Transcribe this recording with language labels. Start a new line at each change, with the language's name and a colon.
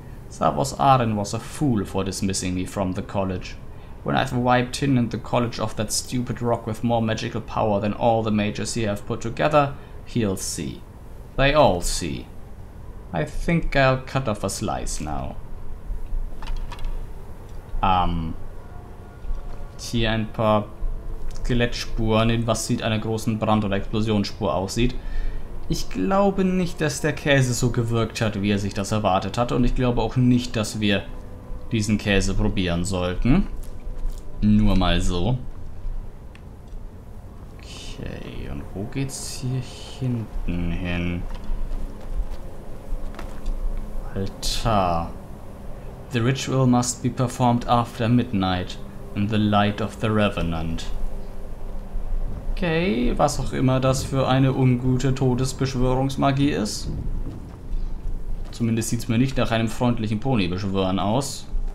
English: Savos Aran was a fool for dismissing me from the college. When I've wiped him and the college off that stupid rock with more magical power than all the mages here have put together, he'll see. They all see. I think I'll cut off a slice now.
German: Hier ein paar Skelettspuren, in was sieht einer großen Brand- oder Explosionsspur aussieht. Ich glaube nicht, dass der Käse so gewirkt hat, wie er sich das erwartet hatte. Und ich glaube auch nicht, dass wir diesen Käse probieren sollten. Nur mal so. Okay, und wo geht's hier hinten hin? Altar.
English: The ritual must be performed after midnight in the light of the revenant.
German: Okay, was auch immer das für eine ungute Todesbeschwörungsmagie ist. Zumindest sieht es mir nicht nach einem freundlichen Ponybeschwören aus.